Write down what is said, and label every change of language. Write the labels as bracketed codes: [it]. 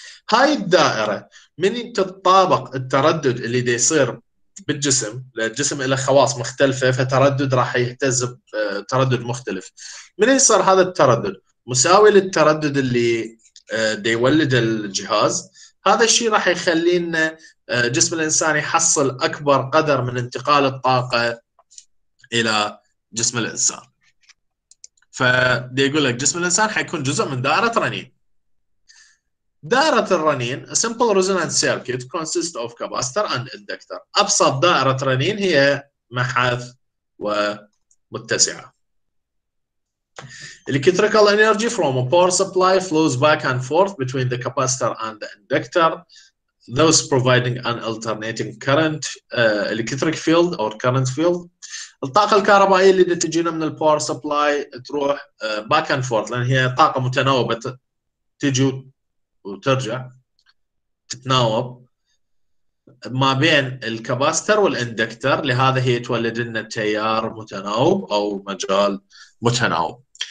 [ar] هاي الدائرة من تتطابق التردد اللي دا يصير بالجسم، الجسم له خواص مختلفة فتردد راح يهتز تردد مختلف، من يصير هذا التردد مساوي للتردد اللي دي يولد الجهاز، هذا الشيء راح يخلي لنا جسم الإنسان يحصل أكبر قدر من انتقال الطاقة إلى جسم الإنسان. فدي يقول لك جسم الإنسان حيكون جزء من دائرة رنين. دائرة الرنين [en] a simple resonant circuit consists of capacitor and inductor. [ar] أبسط دائرة رنين هي محاذ ومتسعة. [en] Electrical energy from a power supply flows back and forth between the capacitor and the inductor, thus providing an alternating current, electric field or current field. [ar] الطاقة الكهربائية اللي تجينا من الباور سبلاي تروح [en] back and forth, [ar] لان هي طاقة متناوبة تجي وترجع تتناوب ما بين الكباستر والاندكتر، لهذا هي تولد لنا تيار متناوب او مجال متناوب.